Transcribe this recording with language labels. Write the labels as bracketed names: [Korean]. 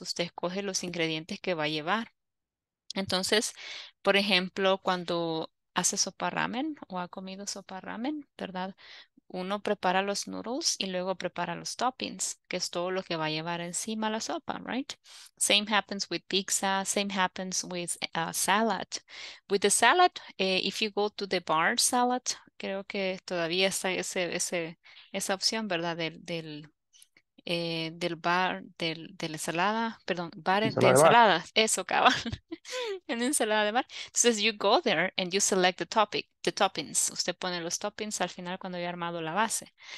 [Spanish] Usted escoge los ingredientes que va a llevar. Entonces, por ejemplo, cuando hace sopa ramen o ha comido sopa ramen, ¿verdad? Uno prepara los noodles y luego prepara los toppings, que es todo lo que va a llevar encima la sopa, right? [English] Same happens with pizza, same happens with salad. With the salad, if you go to the bar salad, [Spanish] creo que todavía está esa opción, ¿verdad? Del bar, del ensalada, perdón, bar ensalada de ensalada, eso, cabal, en ensalada de bar. [English] Entonces, you go there and you select the topic, the toppings. [Spanish] Usted pone los toppings al final cuando haya armado la base.